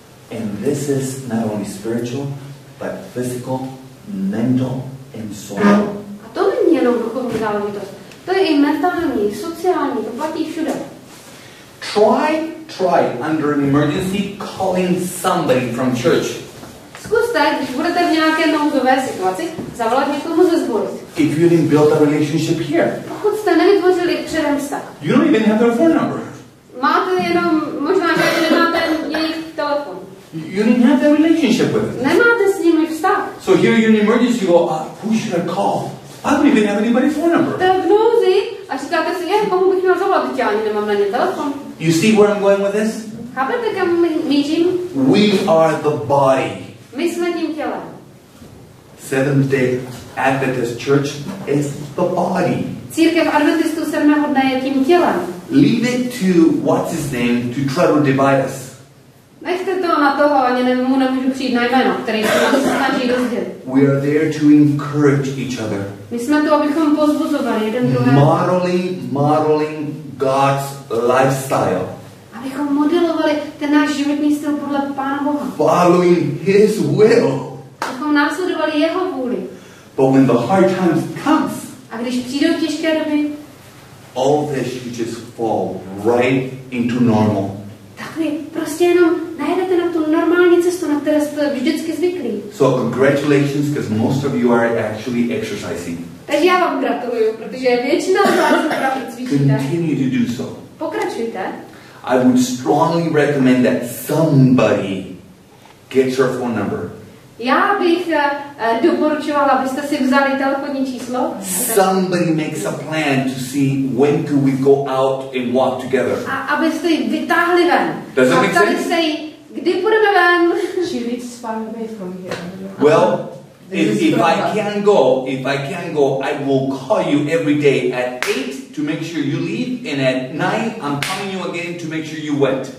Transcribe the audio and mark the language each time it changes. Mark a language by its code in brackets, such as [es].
[en] And this is not only spiritual, but physical, mental, and soul. [cs] A to není jenom duchovní záležitost. To je i mentální, sociální, to platí všude. [en] Try under an emergency calling somebody from church. [cs] Zkuste, když budete v nějaké nouzové situaci, zavolat někomu ze sboru. [en] If you didn't build a relationship here. [cs] Pokud jste nevytvořili předem vztah. [en] You don't even have their phone number. [cs] Máte jenom, možná nemáte jejich telefon. [en] You didn't have that relationship with them. [cs] Nemáte s nimi vztah. [en] So here you're in an emergency, you go, who should I call? I don't even have anybody's phone number. [cs] Tak v nouzi a říkáte si, komu bych měl zavolat, já ani nemám na ně telefon. [en] You see where I'm going with this? [cs] Chápete, kam mířím? [en] We are the body. [cs] My jsme tím tělem. [en] Seventh Day Adventist Church is the body. [cs] Církev Adventistů 7. dne je tím tělem. [en] Leave it to what's his name to try to divide us. [cs] Nechte to na toho, ani mu nemůžu přijít na jméno, který se nám snaží rozdělit. [en] We are there to encourage each other. [cs] My jsme tu, abychom pozbuzovali jeden druhého. [en] Modeling God's lifestyle. [cs] Abychom modelovali ten náš životní styl podle Pána Boha. [en] Following His will. [cs] Abychom následovali Jeho vůli. [en] But when the hard times comes, [cs] a když přijdou těžké doby, [en] all this you just fall right into normal. [cs] Tak vy prostě jenom najedete na tu normální cestu, na které jste vždycky zvyklí. [en] So congratulations, because most of you are actually exercising. [cs] Takže já vám gratuluju, protože většina z vás opravdu cvičíte. [en] Continue to do so. [cs] Pokračujte. [en] I would strongly recommend that somebody gets your phone number. [cs] Já bych doporučoval, abyste si vzali telefonní číslo. [en] Somebody makes a plan to see when could we go out and walk together. [cs] A abyste ji vytáhli ven. [en] Does that make sense? [cs] Kdy půjdeme ven? [en] She lives far away from here. Well, if I can go, I will call you every day at 8 to make sure you leave, and at 9 I'm calling you again to make sure you went.